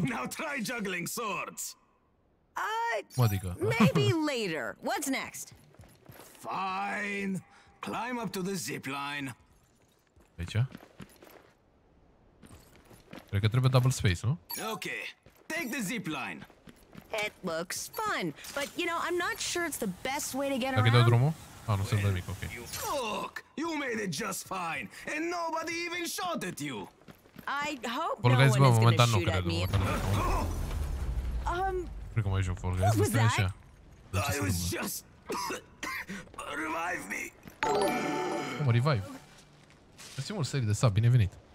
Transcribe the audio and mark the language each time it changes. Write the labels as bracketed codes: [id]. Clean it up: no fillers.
[en] Now try juggling swords. [ro] Adică. [en] Maybe later. What's next? Fine. Climb up to the zip line. [ro] Aici? Cred că trebuie double space, nu? [en] Okay. Take the zip line. It looks fun, but you know, I'm not sure it's the best way to get [ro] dacă [en] around. [ro] Dacă dau drumul? Nu sunt nimic, ok. [en] Look, you made it just fine and nobody even shot at you. I hope Fall Guys, no one is going to shoot at me. [ro] Cred că mai joc Fall Guys, stai așa. [en] I was just... revive me. [ro] Cum mă, revive? Mersi mult, serii de sub, binevenit.